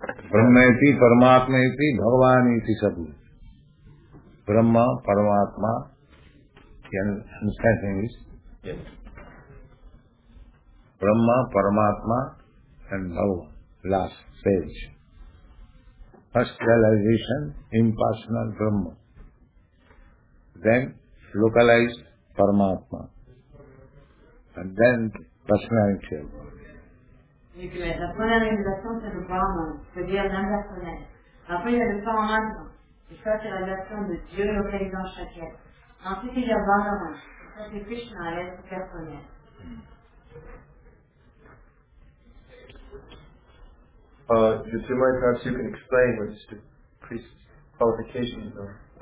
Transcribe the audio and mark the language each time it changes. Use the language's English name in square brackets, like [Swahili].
[Sanskrit] ब्रह्म इति परमात्मा इति भगवान इति सब ब्रह्म परमात्मा [English] understanding is Brahman Paramatma and Bhagavan last stage first realization impersonal Brahman then localized Paramatma and then personality [French] La première réalisation, c'est le Brahma, c'est-à-dire l'impersonnel. Après, il y a le Paramatma, et ça, c'est la version de Dieu localisé dans chaque être. Ensuite, il y a Bhagavan, et ça, c'est Krishna, l'être personnel. [English] Just a moment, perhaps you can explain what is the priest's qualifications are.